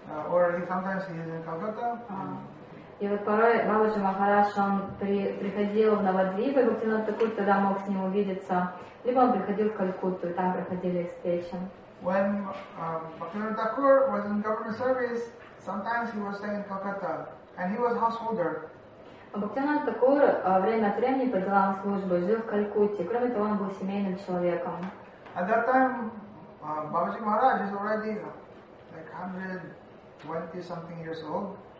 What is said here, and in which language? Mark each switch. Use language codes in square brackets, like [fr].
[en] Or he sometimes he is in Calcutta. [ru] И вот порой Бабаджи Махарадж он приходил в Навадвип, и Бхактивинода Такур тогда мог с ним увидеться. Либо он приходил в Калькутту, и там проходили встречи. [en] When Bhaktivinoda Thakur was in government service, sometimes he was staying in Calcutta, and he was householder. [ru] Бхактивинода Такур время от времени по делам службы жил в Калькутте. Кроме того, он был семейным человеком. [en] At that time, Бабаджи Махарадж is already like 120 something years old.